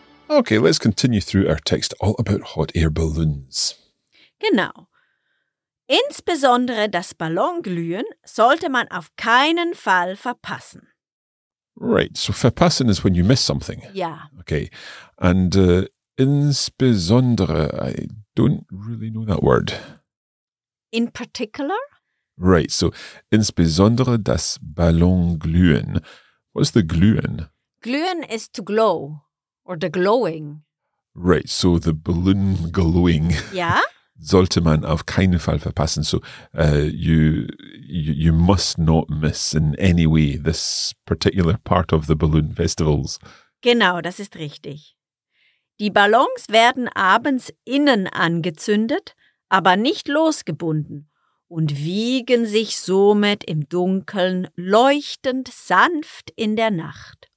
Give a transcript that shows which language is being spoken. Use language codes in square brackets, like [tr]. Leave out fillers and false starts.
[en] Okay, let's continue through our text all about hot air balloons. [de] Genau. Insbesondere das Ballonglühen sollte man auf keinen Fall verpassen. [en] Right, so verpassen is when you miss something. Yeah. Okay, and insbesondere, I don't really know that word. In particular? Right, so [de] insbesondere das Ballonglühen. [en] What's the glühen? Glühen is to glow. Or the glowing. Right, so the balloon glowing. Yeah. [de] Sollte man auf keinen Fall verpassen. [en] So you must not miss in any way this particular part of the balloon festivals. [de] Genau, das ist richtig. Die Ballons werden abends innen angezündet, aber nicht losgebunden und wiegen sich somit im Dunkeln leuchtend sanft in der Nacht.